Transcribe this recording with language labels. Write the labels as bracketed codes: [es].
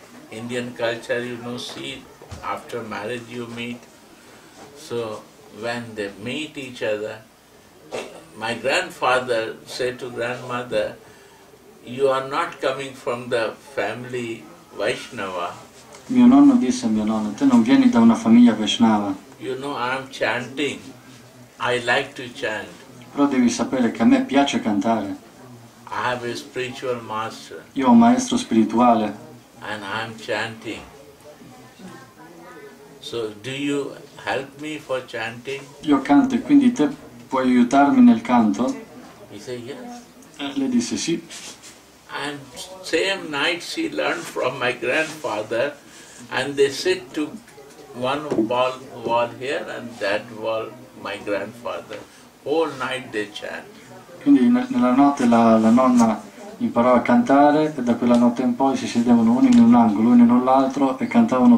[en] Indian culture, you know, see, after marriage you meet. So when they meet each other, my grandfather said to grandmother, you are not coming from the family Vaishnava. [it] Mio nonno disse a mio nonno, te non vieni da una famiglia Vaishnava. [en] You know, I'm chanting. I like to chant. [it] Però devi sapere che a me piace cantare. [en] I have a spiritual master. [it] Io ho un maestro spirituale. [en] And I'm chanting. So, do you help me for chanting? [it] Io canto, quindi te puoi aiutarmi nel canto? [en] He said yes. [it] Lei disse sì. [en] And same night she learned from my grandfather. And they sit to one wall here and that wall my grandfather. Whole night they chant. [it] Quindi nella notte la nonna imparò a cantare e da quella notte in poi si sedevano uno in un angolo, uno in un altro e cantavano.